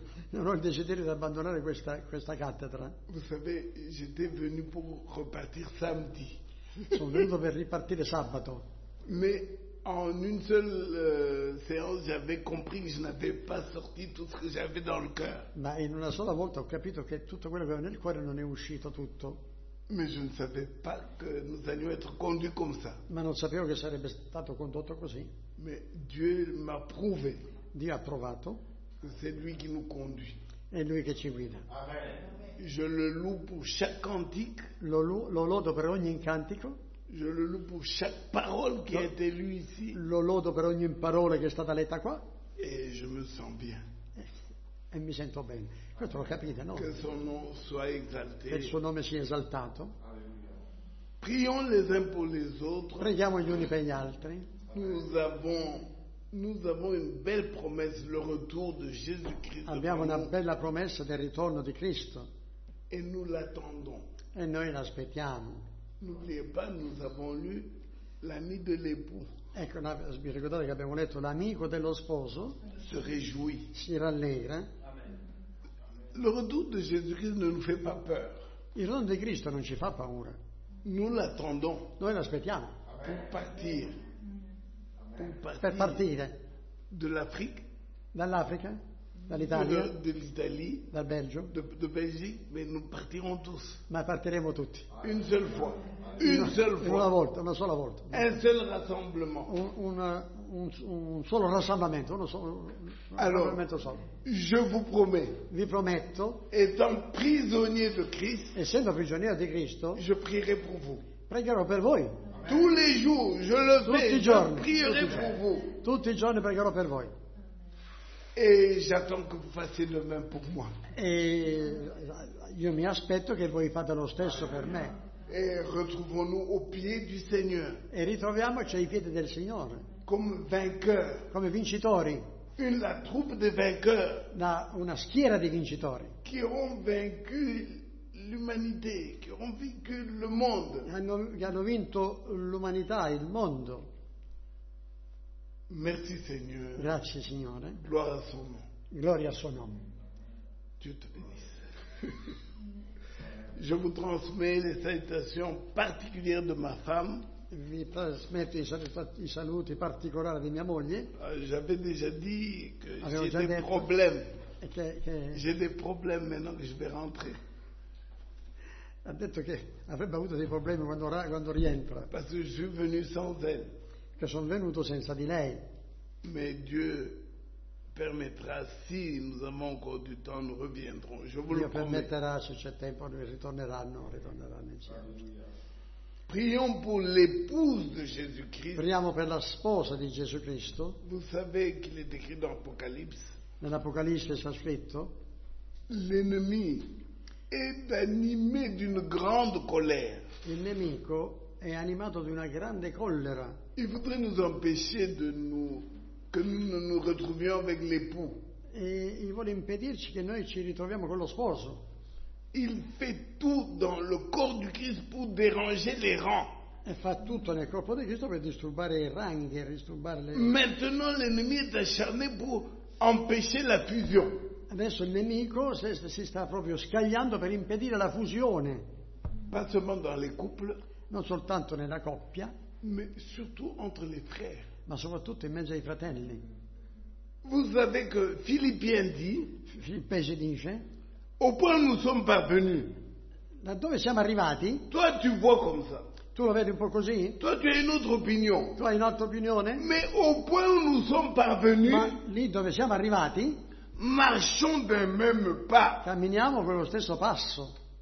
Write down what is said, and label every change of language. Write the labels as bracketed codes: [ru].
[it] Non ho il desiderio di abbandonare questa cattedra. [fr] Vous savez, j'étais venu pour repartir samedi. [it] Sono venuto per ripartire sabato. [fr] Mais en une seule séance, j'avais compris que je n'avais pas sorti tout ce que j'avais dans le cœur. [it] Mais in una sola volta ho capito che tutto quello che avevo nel cuore non è uscito tutto. [fr] Mais je ne savais pas que nous allions être conduits comme ça. [it] Ma non sapevo che sarebbe stato condotto così. [fr] Mais Dieu m'a prouvé. [it] Dio ha provato. [fr] C'est lui qui nous conduit. [it] È lui che ci guida. Amen. [fr] Je le loue pour chaque cantique. [it] Lo lodo per ogni incantico. [fr] Je le loue pour chaque parole qui a été lue ici. [it] Lo lodo per ogni parola che è stata letta qua. [fr] Et je me sens bien. [it] E mi sento bene. Questo lo capite, no? [fr] Que son nom soit exalté. [it] Che il suo nome sia esaltato. [fr] Prions les uns pour les autres. [it] Preghiamo gli uni per gli altri. [fr] Nous avons une belle promesse, le retour de Jésus-Christ. [it] Abbiamo una bella promessa del ritorno di Cristo. [fr] Et nous l'attendons. [it] E noi l'aspettiamo. [fr] N'oubliez pas, nous avons lu l'ami de l'époux. [it] Ecco, vi ricordate che abbiamo letto l'amico dello sposo? [fr] Se réjouit. [it] Si rallegra. [fr] Le retour de Jésus-Christ ne nous fait pas peur. [it] Il ritorno di Cristo non ci fa paura. [fr] Nous l'attendons. [it] Noi l'aspettiamo. [fr] Pour partir. [it] Per partire [fr] de l'Afrique, [it] dall'Africa, dall'Italia, dell'Italia, dal Belgio, [fr] de Belgique, mais nous partirons tous. [it] Ma partiremo tutti. [fr] Une seule fois. Une seule fois. [it] Una volta, una sola volta. [fr] Un seul rassemblement. [it] Un solo rassemblamento, uno solo. [fr] Alors, [it] rassemblamento solo. [fr] Je vous promets. [it] Vi prometto. [fr] Étant prisonnier de Christ. [it] Essendo prigioniero di Cristo. [fr] Je prierai pour vous. [it] Pregherò per voi. [fr] Tous les jours, je le fais. [it] Tutti i giorni. [fr] Prierai pour vous. [it] Tutti i giorni pregherò per voi. [fr] Et j'attends que vous fassiez le même pour moi. [it] Et io mi aspetto che voi fate lo stesso per me. [fr] Et retrouvons-nous au pied du Seigneur. [it] E ritroviamoci ai piedi del Signore. [fr] Comme vainqueur. [it] Come vincitori. [fr] Une la troupe de vainqueurs. [it] Da una schiera di vincitori. [fr] Qui ont vaincu. L'umanité, qui ont vaincu le monde. [it] Hanno vinto l'umanità, il mondo. [fr] Merci Seigneur. [it] Grazie Signore. [fr] Gloire à son nom. [it] Gloria al suo nome. [fr] Dieu te bénisse. Je vous transmets les salutations particulières de ma femme. [it] Vi trasmetto i saluti particolari di mia moglie. [fr] J'avais déjà dit que j'ai des problèmes. J'ai des problèmes maintenant que je vais rentrer. [it] Ha detto che avrebbe avuto dei problemi quando rientra. [fr] Parce que je suis venu sans elle. [it] Che sono venuto senza di lei. [fr] Mais Dieu permettra, si nous avons encore du temps, nous reviendrons. Je vous [it] Dio le permetterà, se c'è tempo, noi ritorneranno insieme. [fr] Prions pour l'épouse de Jésus-Christ. [it] Priamo per la sposa di Gesù Cristo. [fr] Vous savez qu'il est écrit dans l'Apocalypse. [it] Nell'Apocalisse c'è scritto. [fr] L'ennemi. Est animé d'une grande colère. [it] Il nemico è animato di una grande collera. [fr] Il voudrait nous empêcher de nous que nous ne nous retrouvions avec l'époux. [it] E il vuole impedirci che noi ci ritroviamo con lo sposo. [fr] Il fait tout dans le corps du Christ pour déranger les rangs. [it] E fa tutto nel corpo di Cristo per disturbare i ranghi, disturbare le. [fr] Maintenant l'ennemi est acharné pour empêcher la fusion. [it] Adesso il nemico si sta proprio scagliando per impedire la fusione. [fr] Pas seulement dans les couples, [it] non soltanto nella coppia, [fr] mais surtout entre les frères. [it] Ma soprattutto in mezzo ai fratelli. [fr] Vous savez que Philippiens dit, [it] Filippesi dice, [fr] au point nous sommes parvenus. [it] Da dove siamo arrivati? [fr] Toi tu vois comme ça. [it] Tu lo vedi un po' così? Toi tu hai un'altra opinione. Tu hai un'altra opinione? [fr] Mais au point nous sommes parvenus. [it] Ma lì dove siamo arrivati? [fr] Marchons d'un même pas. [it] Camminiamo con lo stesso passo.